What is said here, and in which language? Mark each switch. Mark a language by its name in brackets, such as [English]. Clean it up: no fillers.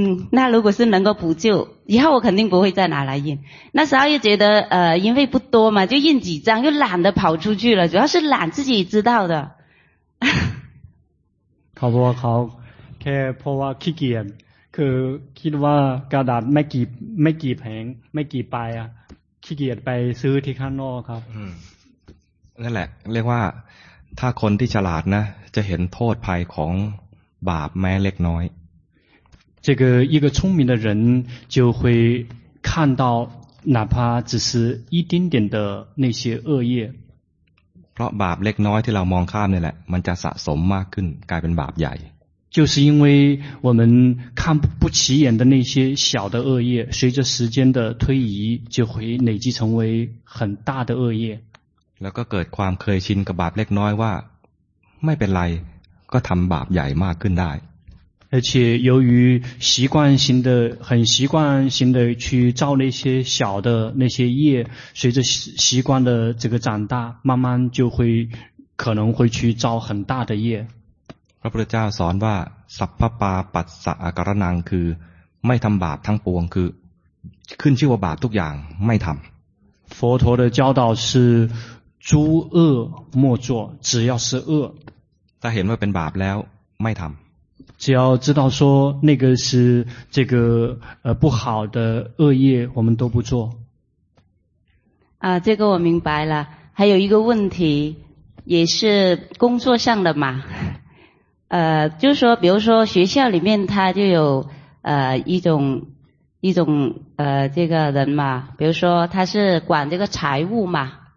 [Chinese] 那如果是能够补救以后我肯定不会再拿来印那时候又觉得因为不多嘛就印几张又懒得跑出去了主要是懒自己知道的好不好好 [Thai] แค่เพราะว่าขี้เกียจคือคิดว่ากระดาษไม่กี่แผงไม่กี่ใบอ่ะขี้เกียจไปซื้อที่ข้างนอกครับ นั่นแหละเรียกว่าถ้าคนที่ฉลาดนะจะเห็นโทษภัยของบาปแม้เล็กน้อย [Chinese] 这个一个聪明的人就会看到哪怕只是一丁点的那些恶业 [Thai] เพราะบาปเล็กน้อยที่เรามองข้ามนี่แหละมันจะสะสมมากขึ้นกลายเป็นบาปใหญ่ [Chinese] 就是因为我们看不起眼的那些小的恶业随着时间的推移就会累积成为很大的恶业 [Thai] แล้วก็เกิดความเคยชินกับบาปเล็กน้อยว่าไม่เป็นไรก็ทำบาปใหญ่มากขึ้นได้ [Chinese] 而且由于习惯性的很习惯性的去造那些小的那些业，随着习惯的这个长大，慢慢就会可能会去造很大的业。 [Thai] พระพุทธเจ้าสอนว่าสัพพปาปัสสะอกรณังคือไม่ทำบาปทั้งปวงคือขึ้นชื่อว่าบาปทุกอย่างไม่ทำ [Chinese] 佛陀的教导是诸恶莫作，只要是恶。 [Thai] ถ้าเห็นว่าเป็นบาปแล้วไม่ทำ [Chinese] 只要知道说那个是这个不好的恶业，我们都不做。啊，这个我明白了。还有一个问题，也是工作上的嘛。就是说，比如说学校里面他就有一种这个人嘛，比如说他是管这个财务嘛。